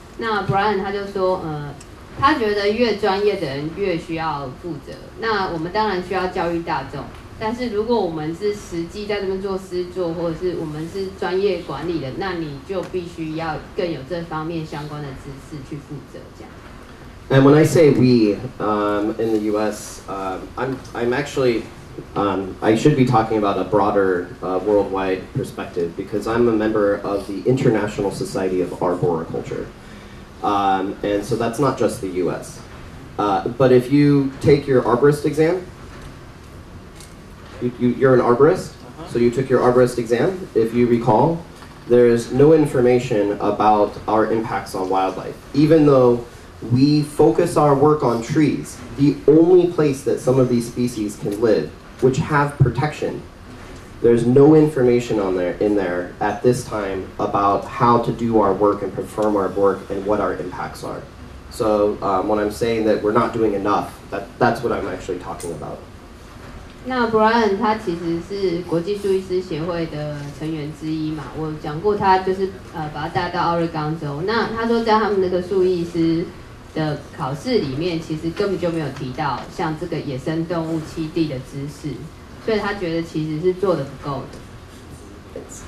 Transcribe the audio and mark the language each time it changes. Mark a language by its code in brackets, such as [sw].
[zh] 那 Brian 他就说，他觉得越专业的人越需要负责。那我们当然需要教育大众，但是如果我们是实际在这边做施作，或者是我们是专业管理的，那你就必须要更有这方面相关的知识去负责这样。 [en] And when I say we, in the U.S., I'm actually, I should be talking about a broader, worldwide perspective, because I'm a member of the International Society of Arboriculture. And so that's not just the U.S. But if you take your arborist exam, you're an arborist, so you took your arborist exam, if you recall, there's no information about our impacts on wildlife, even though... We focus our work on trees, the only place that some of these species can live, which have protection. There's no information on there, in there at this time about how to do our work and perform our work and what our impacts are. So, when I'm saying that we're not doing enough, that's what I'm actually talking about. [zh] 那 Brian 他其实是国际树医师协会的成员之一嘛，我讲过他就是把他带到奥瑞冈州。那他说在他们那个树医师的考试里面，其实根本就没有提到像这个野生动物栖地的知识，所以他觉得其实是做得不够的。